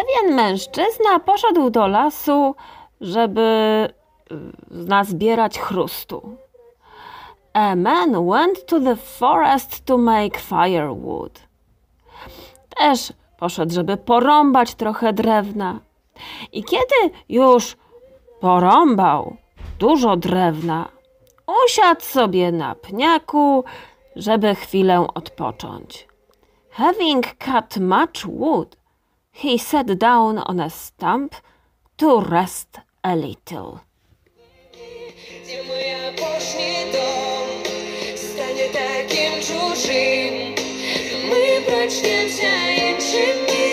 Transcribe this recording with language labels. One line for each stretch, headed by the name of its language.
Polish: Mężczyzna poszedł do lasu, żeby nazbierać chrustu.
English: A man went to the forest to make firewood.
Polish: Też poszedł, żeby porąbać trochę drewna. I kiedy już porąbał dużo drewna, usiadł sobie na pniaku, żeby chwilę odpocząć.
English: Having cut much wood, he sat down on a stump to rest a little. Gdzie moja pośnie dom, stanie takim czużym, my brać nie wzajęczymy.